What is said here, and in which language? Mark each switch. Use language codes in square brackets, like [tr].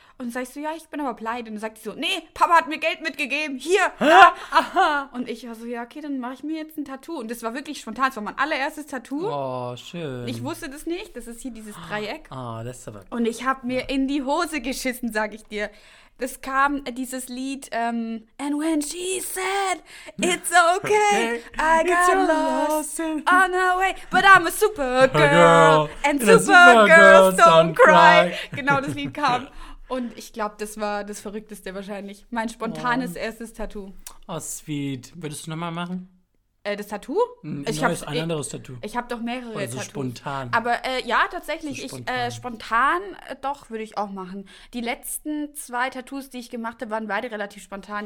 [de] Und dann sag ich so, ja, ich bin aber pleite. Und dann sagt sie so, nee, Papa hat mir Geld mitgegeben, hier. Aha. Und ich war so, ja, okay, dann mache ich mir jetzt ein Tattoo. Und das war wirklich spontan, das war mein allererstes Tattoo. Oh, schön. Ich wusste das nicht, das ist hier dieses Dreieck. Oh, das ist aber... Und ich habe mir in die Hose geschissen, sag ich dir. Es kam dieses Lied, [en] and when she said, it's okay, I got lost on her way, but I'm a super girl, and super girls don't cry. [de] Genau, das Lied kam. Und ich glaube, das war das Verrückteste wahrscheinlich. Mein spontanes erstes Tattoo. [en] Oh, sweet. [de] Würdest du nochmal machen? Das Tattoo? Ein anderes Tattoo. Ich habe doch mehrere Tattoos. Also spontan. Aber ja, tatsächlich. So spontan. Spontan würde ich auch machen. Die letzten zwei Tattoos, die ich gemacht habe, waren beide relativ spontan.